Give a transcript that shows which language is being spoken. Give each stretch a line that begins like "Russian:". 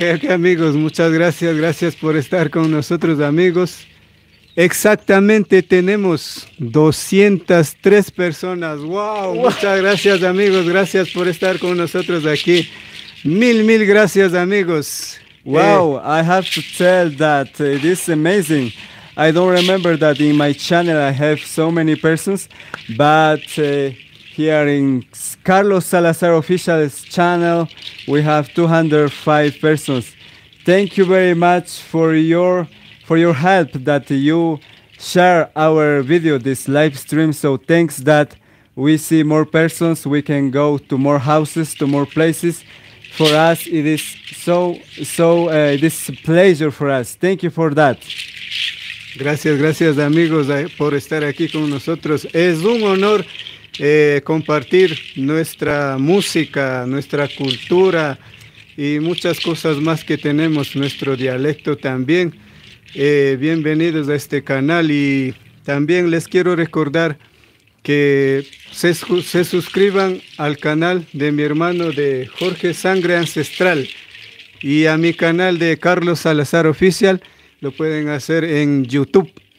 Spanish: Amigos, muchas gracias, gracias por estar con nosotros, amigos. Exactamente tenemos 203 personas. ¡Wow! Muchas gracias, amigos, gracias por estar con nosotros aquí. Mil gracias, amigos.
English: Wow, I have to tell that it is amazing. I don't remember that in my channel I have so many persons, but here in Carlos Salazar Official's channel we have 205 persons. Thank you very much for your help that you share our video, this live stream. So thanks that we see more persons, we can go to more houses, to more places. For us, it is so, this pleasure for us. Thank you for that.
Spanish: Gracias, gracias, amigos, por estar aquí con nosotros. Es un honor compartir nuestra música, nuestra cultura, y muchas cosas más que tenemos, nuestro dialecto también. Bienvenidos a este canal y también les quiero recordar que se suscriban al canal de mi hermano de Jorge Sangre Ancestral y a mi canal de Carlos Salazar Oficial, lo pueden hacer en YouTube.